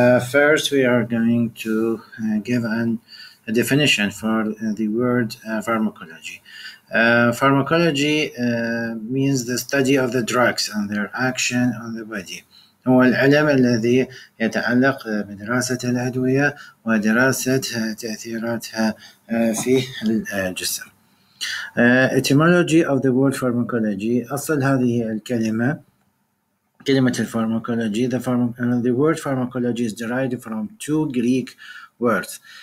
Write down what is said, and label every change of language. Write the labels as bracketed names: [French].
[English] First, we are going to give a definition for the word pharmacology. Pharmacology means the study of the drugs and their action on the body. [Arabic] هو العلم الذي يتعلق بدراسة الأدوية ودراسة تأثيراتها في الجسم. [English] Etymology of the word pharmacology. [Arabic] أصل هذه الكلمة [English] pharmacology. The word pharmacology is derived from two Greek words.